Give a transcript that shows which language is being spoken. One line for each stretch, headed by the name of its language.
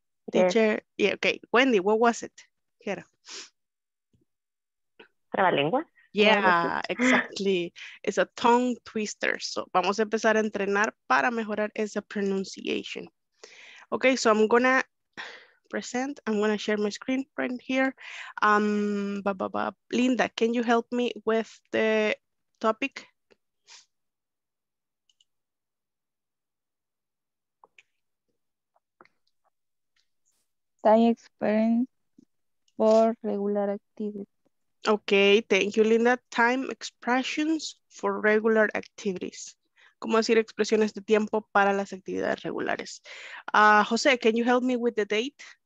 English: Teacher, yeah, okay. Wendy, what was it? Here.
Spanish: ¿Trabalenguas?
English: Yeah, exactly. It's a tongue twister.
Spanish: So, vamos a empezar a entrenar para mejorar esa pronunciation.
English: Okay, so I'm gonna present. I'm gonna share my screen right here. Linda, can you help me with the topic? Time experience for regular activities. Okay, thank you, Linda. Time expressions for regular activities.
Spanish: ¿Cómo decir expresiones de tiempo para las actividades regulares?
English: José, can you help me with the date?